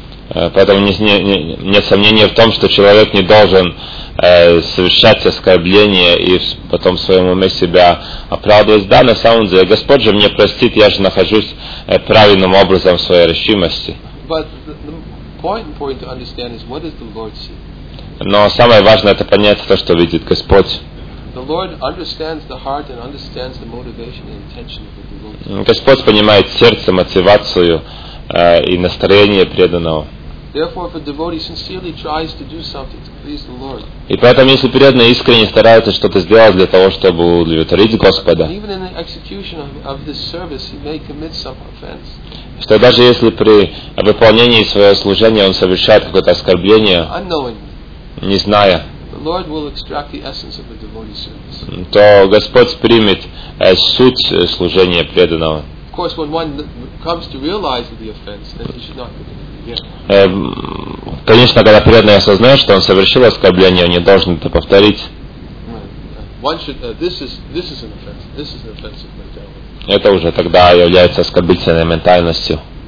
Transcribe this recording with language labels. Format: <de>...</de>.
<ru>Поэтому нет сомнения в том, что человек не должен совершать оскорбление и потом в своем уме себя оправдывать. Да, на самом деле, Господь же мне простит, я же нахожусь правильным образом в своей решимости.</ru> <en>But the important to understand is what does the Lord see?</en> <ru>Но самое важное это понять то, что видит Господь.</ru> <en>The Lord understands the heart and understands the motivation and intention of the devotee.</en> <ru>Господь понимает сердце, мотивацию и настроение преданного.</ru> <en>Therefore, if a devotee sincerely tries to do something to please the Lord.</en> <ru>И поэтому, если преданный искренне старается что-то сделать для того, чтобы удовлетворить Господа.</ru> <en>Even in the execution of this service, he may commit some offense.</en> <ru>Что даже если при выполнении своего служения он совершает какое-то оскорбление. Не зная,</ru> <en>the Lord will extract the essence of a devotee's service.</en> <ru>То Господь примет суть служения преданного.</ru> <en>Of course, when one comes to realize the offense, then he should not commit it again.</en> <ru>Конечно, когда преданный осознает, что он совершил оскорбление, он не должен это повторить.</ru> <en>One should, this is an offense. This is an offensive mentality.</en> <ru>Это уже тогда является оскорбительной ментальностью.</ru>